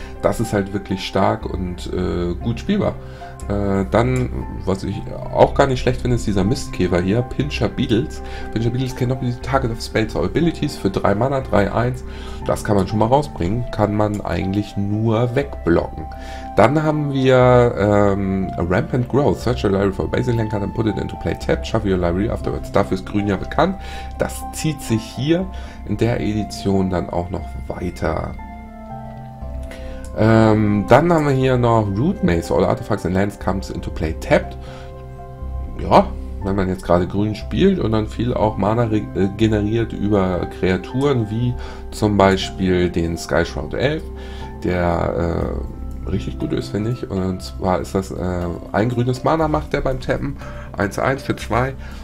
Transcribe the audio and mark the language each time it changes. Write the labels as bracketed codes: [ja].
[de] Das ist halt wirklich stark und gut spielbar. Dann, was ich auch gar nicht schlecht finde, ist dieser Mistkäfer hier, Pinscher Beetles. Pinscher Beetles kennt auch die Target of Spells or Abilities für 3 Mana, 3/1. Das kann man schon mal rausbringen, kann man eigentlich nur wegblocken. Dann haben wir Rampant Growth. [en] Search your library for a basic land card and put it into play. Tap, shuffle your library afterwards. [de] Dafür ist Grün ja bekannt. Das zieht sich hier in der Edition dann auch noch weiter. Dann haben wir hier noch Root Maze. [en] All Artifacts and Lands comes into play tapped. [de] Ja, wenn man jetzt gerade grün spielt und dann viel auch Mana generiert über Kreaturen wie zum Beispiel den Skyshroud Elf, der richtig gut ist, finde ich. Und zwar ist das ein grünes Mana macht der beim Tappen, 1/1 für 2.